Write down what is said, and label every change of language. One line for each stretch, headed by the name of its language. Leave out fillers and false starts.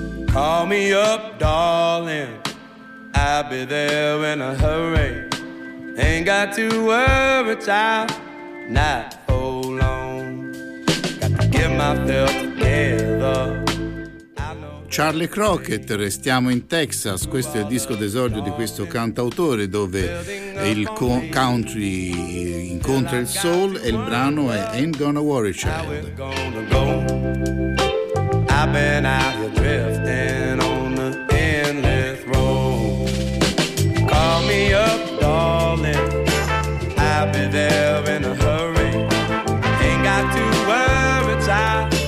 English: Call me up, darling, I'll be there in a hurry. Ain't got to worry, child, not for long. Got to get myself together.
Italian: Charlie Crockett, Restiamo in Texas, questo è il disco d'esordio di questo cantautore, dove il country incontra il soul e il brano è Ain't Gonna Worry Child.
English: I've been out here drifting on the endless road. Call me up, darling, I'll be there in a hurry. Ain't got to worry, child.